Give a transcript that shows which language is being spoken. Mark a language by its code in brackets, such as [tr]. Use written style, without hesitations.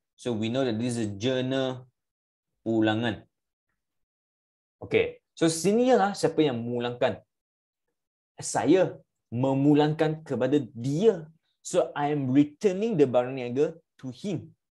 [en] So, we know that this is a [ms] jana pulangan. [en] Okay, so [ms] sini ialah siapa yang memulangkan. Saya memulangkan kepada dia. [en] So, I am returning the [ms] barang niaga [en] to him.